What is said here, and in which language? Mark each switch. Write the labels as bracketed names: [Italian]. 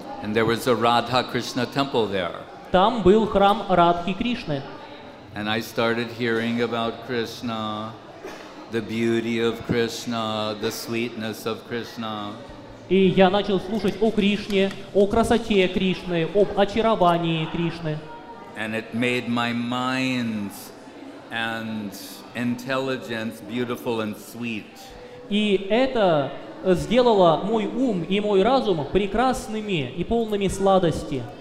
[English] And there was a Radha Krishna temple there. [Russian] Там был храм Радхи Кришны. [English] And I started hearing about Krishna. the beauty of Krishna, the sweetness of Krishna. [Russian] И я начал слушать о Кришне, о красоте Кришны, об очаровании Кришны. [English] And it made my mind and intelligence beautiful and sweet. [Russian] И это сделало мой ум и мой разум прекрасными и полными сладости.